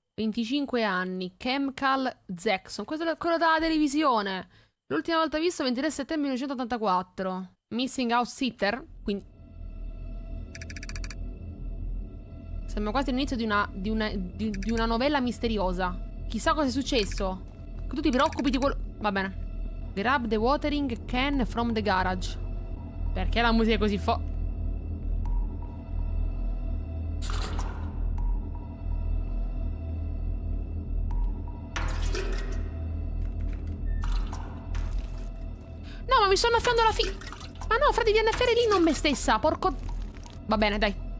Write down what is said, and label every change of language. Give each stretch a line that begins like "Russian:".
Italian: 25 anni, Chemical Jackson. Questo è quello della televisione. L'ultima volta visto, 23 settembre 1984.
English: Missing house sitter,
Italian: quindi... Sembra quasi l'inizio di una novella misteriosa. Chissà cosa è successo. Che tu ti preoccupi di quello... Va bene.
English: Grab the watering can from the garage.
Italian: Perché la musica è così fo... No, ma mi sto annaffiando la fi... Ma no, frate, devi annaffiare lì, non me stessa, porco... Va bene, dai.